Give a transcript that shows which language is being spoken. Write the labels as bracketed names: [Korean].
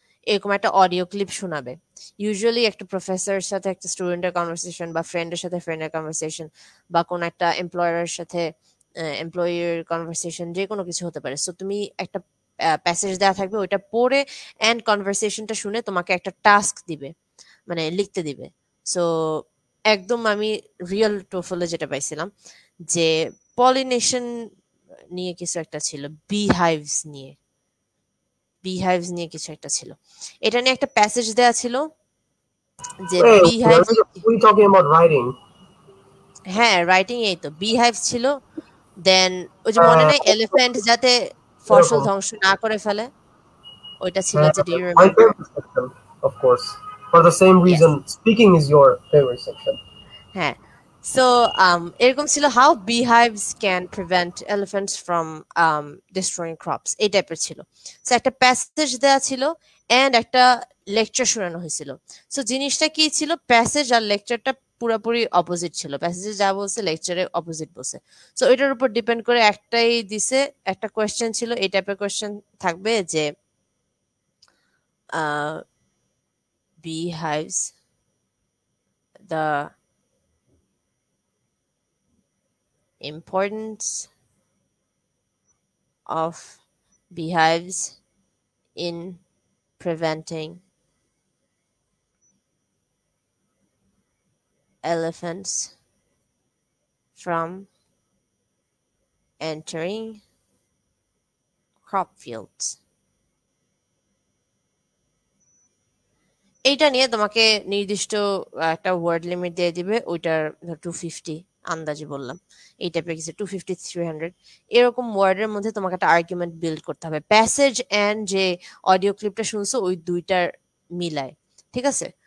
[Bangla] এরকম একটা audio clip শোনাবে ইউজুয়ালি একটা প্রফেসরের সাথে একটা স্টুডেন্টের কনভারসেশন বা ফ্রেন্ডের সাথে ফ্রেন্ডের কনভারসেশন বা কোন একটা এমপ্লয়ারের সাথে এমপ্লয়ির কনভারসেশন যে কোনো কিছু হতে পারে সো তুমি একটা প্যাসেজ দেওয়া থাকবে ওইটা পড়ে এন্ড কনভারসেশনটা শুনে তোমাকে একটা টাস্ক দিবে মানে লিখতে দিবে সো একদম আমি রিয়েল টোফলে যেটা পাইছিলাম যে পলিনেশন নিয়ে কিছু একটা ছিল বিহাইভস নিয়ে beehives নিয়ে কিছু একটা ছিল এটা নিয়ে একটা প্যাসেজ দেয়া ছিল [English] যে beehives we talking about writing [Bangla] হ্যাঁ রাইটিং এই তো beehives ছিল দেন ওই যে মনে নেই এলিফ্যান্ট যাতে ফসল ধ্বংস না করে ফেলে ওইটা ছিল যে [English] do you remember of course for the same reason speaking is your favourite section [Bangla] হ্যাঁ সো এরকম ছিল [English] how beehives can prevent elephants from destroying crops [Bangla] এই টাইপের ছিল সো একটা প্যাসেজ দেওয়া ছিল এন্ড একটা লেকচার শোনানো হয়েছিল সো জিনিসটা কি ছিল প্যাসেজ আর লেকচারটা পুরোপুরি অপোজিট ছিল প্যাসেজে যা বলছে লেকচারে অপোজিট বলছে সো এটার উপর ডিপেন্ড করে একটাই দিছে একটা কোয়েশ্চেন ছিল এই টাইপের কোয়েশ্চেন থাকবে যে বিহাইভস the [English] importance of beehives in preventing elephants from entering crop fields. [Bangla] এইটা নিয়ে তোমাকে নির্দিষ্ট একটা ওয়ার্ড লিমিট দিয়ে দিবে, ওইটার 250 আন্দাজে বললাম, এই টাইপের কিছু 250-300 এরকম ওয়ার্ডের মধ্যে তোমাকে একটা আর্গুমেন্ট বিল্ড করতে হবে, প্যাসেজ এন্ড যে অডিও ক্লিপটা শুনছো ওই দুইটার মিলায়, ঠিক আছে?